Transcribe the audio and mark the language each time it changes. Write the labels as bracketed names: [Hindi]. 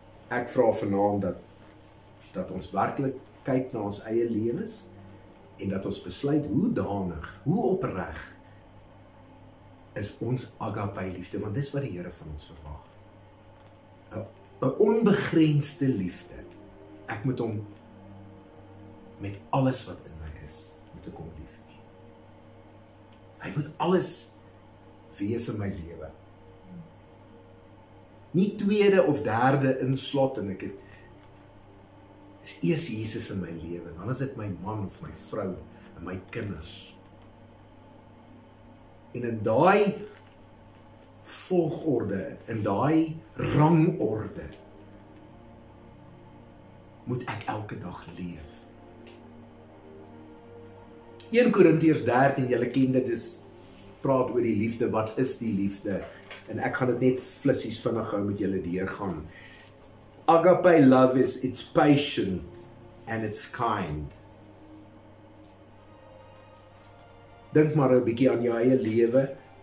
[Afrikaans] Ek vra vanaand dat ons werklik kyk na ons eie lewens en dat ons besluit hoe danig, hoe opreg is ons agape liefde, want dis wat die Here van ons verwag. 'n onbegrensde liefde. Ek moet hom met alles wat in my is, moet ek hom lief. Hy moet alles wees in my lewe. Nie tweede of derde inslot en ek het is eers Jesus in my lewe, dan is dit my man of my vrou en my kinders. en in daai volgorde, in daai rangorde, moet ek elke dag leef. 1 Korintiërs 13, julle ken dit, is praat oor die liefde, wat is die liefde? En ek gaan dit net flissies vinnig hou met julle deurgaan. [English] Agape love is, it's patient and it's kind. [Afrikaans] Dink maar 'n bietjie aan jou eie lewe.